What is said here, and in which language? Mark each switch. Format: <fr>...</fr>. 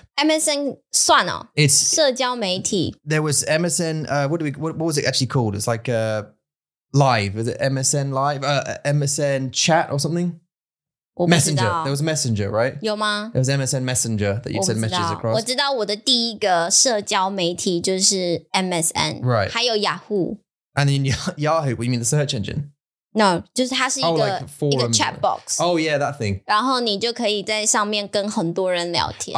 <zh>MSN 算哦.</zh> <en>It's</en> <zh>社交媒体.</zh> <en>There was MSN, what was it actually called? It's like... Live, is it MSN Live? MSN Chat or something? Messenger. There was Messenger, right?</en> <zh>有吗?</zh> <en>There was MSN Messenger that you'd send messages across.</en> <zh>我知道我的第一个社交媒体就是 MSN.</zh> <en>Right.</en> <zh>还有 Yahoo.</zh> <en>And then Yahoo, what you mean the search engine?</en> <zh>No, 就是它是一个,</zh> <en>like forum,</en> <zh>一个 chat box.</zh> <en>Oh yeah, that thing.</en> <zh>然后你就可以在上面跟很多人聊天。</zh>